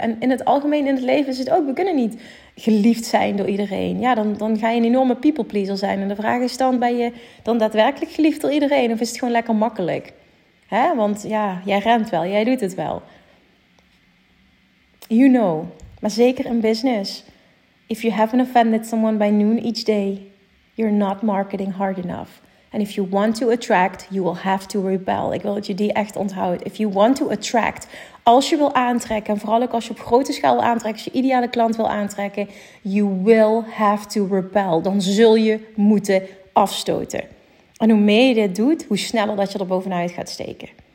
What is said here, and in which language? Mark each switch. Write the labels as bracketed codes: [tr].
[nl] En in het algemeen, in het leven is het ook, we kunnen niet geliefd zijn door iedereen. Ja, dan ga je een enorme people pleaser zijn. En de vraag is dan, ben je dan daadwerkelijk geliefd door iedereen of is het gewoon lekker makkelijk? Hè? Want ja, jij remt wel, jij doet het wel. [en] You know, [nl] maar zeker in business. [en] If you haven't offended someone by noon each day, you're not marketing hard enough. And if you want to attract, you will have to rebel. [nl] Ik wil dat je die echt onthoudt. [en] If you want to attract, [nl] als je wil aantrekken, en vooral ook als je op grote schaal wil aantrekken, als je ideale klant wil aantrekken, [en] you will have to rebel. [nl] Dan zul je moeten afstoten. En hoe meer je dit doet, hoe sneller dat je er bovenuit gaat steken.